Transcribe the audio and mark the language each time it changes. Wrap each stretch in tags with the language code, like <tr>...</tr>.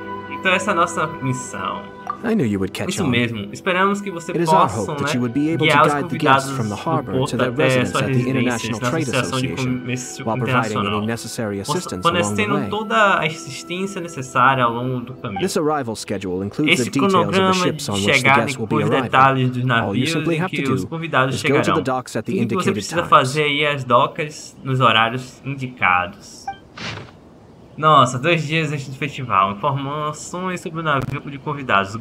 <pt>Então essa é a nossa missão.</pt> <en>I knew you would catch</en> <pt>isso mesmo. Esperamos que você possa, né, guiar os convidados do porto até sua residência na Associação de Comércio Internacional, fornecendo toda a assistência necessária ao longo do caminho.</pt> <en>This arrival schedule includes the details of the ships on which the guests will be arriving.</en> <pt>Detalhes dos navios em que os convidados chegarão. Tudo que você precisa fazer é ir às docas nos horários indicados. Nossa, dois dias antes do festival, informações sobre o navio de convidados.</pt>